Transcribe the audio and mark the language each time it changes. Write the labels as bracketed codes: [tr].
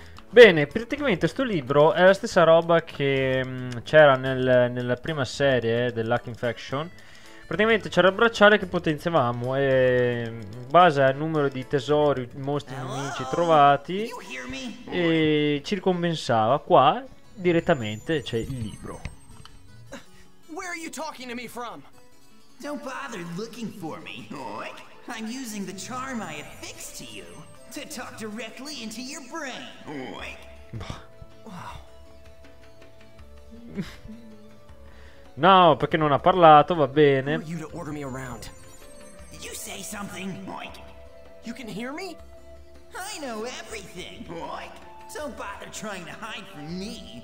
[it] Bene, praticamente sto libro è la stessa roba che c'era nella prima serie del Luck Infection. Praticamente c'era il bracciale che potenziavamo e in base al numero di tesori, mostri, nemici trovati e ci ricompensava qua direttamente, c'è il libro. [en] Where are you talking to me from? Don't bother looking for me. I'm using the charm I affixed to you. To talk directly into your brain. Oink. Wow. [it] No, perché non ha parlato, va bene. [en] Who are you to order me around? Did you say something? Oink. You can hear me? I know everything. Oink. Don't bother trying to hide from me.